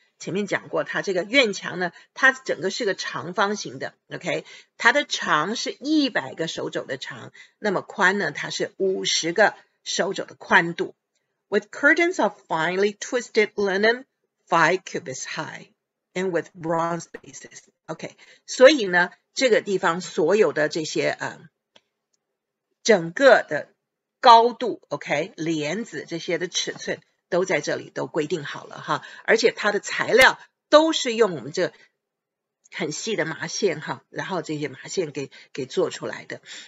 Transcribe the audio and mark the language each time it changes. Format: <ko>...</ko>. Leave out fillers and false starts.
<zh>前面讲过，它这个院墙呢，它整个是个长方形的 ，OK， 它的长是100个手肘的长，那么宽呢，它是50个手肘的宽度。</zh> <en>With curtains of finely twisted linen, 5 cubits high, and with bronze bases.</en> <zh>OK， 所以呢，这个地方所有的这些整个的高度 ，OK， 帘子这些的尺寸都在这里都规定好了哈，而且它的材料都是用我们这很细的麻线哈，然后这些麻线给做出来的。</zh>